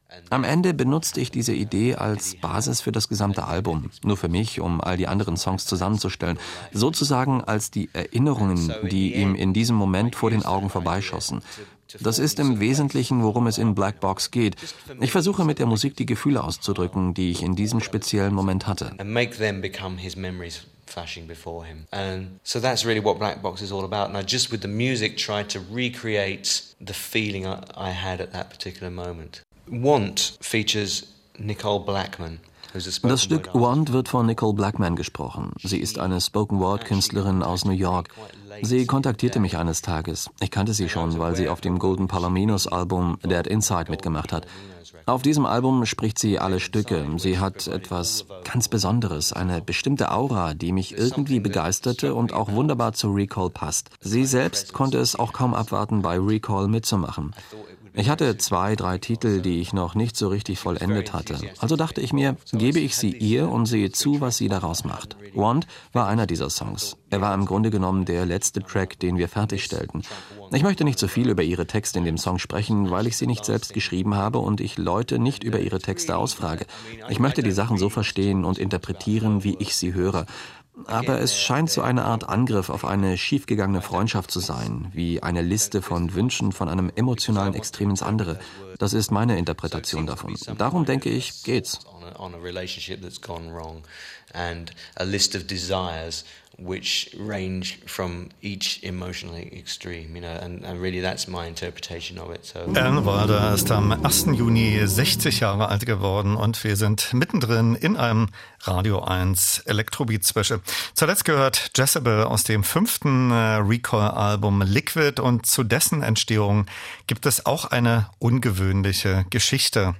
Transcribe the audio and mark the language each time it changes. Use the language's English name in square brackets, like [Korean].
[German] Am Ende benutzte ich diese Idee als Basis für das gesamte Album, nur für mich, um all die anderen Songs zusammenzustellen, sozusagen als die Erinnerungen, die ihm in diesem Moment vor den Augen vorbeischossen. Das ist im Wesentlichen, worum es in Black Box geht. Ich versuche mit der Musik die Gefühle auszudrücken, die ich in diesem speziellen Moment hatte. [English] And make them become his memories flashing before him. And so that's really what Black Box is all about. And I just with the music tried to recreate the feeling I had at that particular moment. Want features Nicole Blackman. [German] Das Stück Want wird von Nicole Blackman gesprochen. Sie ist eine Spoken-Word-Künstlerin aus New York. Sie kontaktierte mich eines Tages. Ich kannte sie schon, weil sie auf dem Golden Palominos-Album Dead Inside mitgemacht hat. Auf diesem Album spricht sie alle Stücke. Sie hat etwas ganz Besonderes, eine bestimmte Aura, die mich irgendwie begeisterte und auch wunderbar zu Recall passt. Sie selbst konnte es auch kaum abwarten, bei Recall mitzumachen. Ich hatte 2-3 Titel, die ich noch nicht so richtig vollendet hatte. Also dachte ich mir, gebe ich sie ihr und sehe zu, was sie daraus macht. Want war einer dieser Songs. Er war im Grunde genommen der letzte Track, den wir fertigstellten. Ich möchte nicht so viel über ihre Texte in dem Song sprechen, weil ich sie nicht selbst geschrieben habe und ich Leute nicht über ihre Texte ausfrage. Ich möchte die Sachen so verstehen und interpretieren, wie ich sie höre. Aber es scheint so eine Art Angriff auf eine schiefgegangene Freundschaft zu sein, wie eine Liste von Wünschen von einem emotionalen Extrem ins andere. Das ist meine Interpretation davon. Darum denke ich, geht's. [English] On a relationship that's gone wrong and a list of desires which range from each emotional extreme, you know, and really that's my interpretation of it. So. [German] Alan Wilder ist am 1. Juni 60 Jahre alt geworden und wir sind mittendrin in einem Radio 1 Elektrobeat-Special. Zuletzt gehört Jezebel aus dem 5. Recall-Album Liquid und zu dessen Entstehung gibt es auch eine ungewöhnliche Geschichte.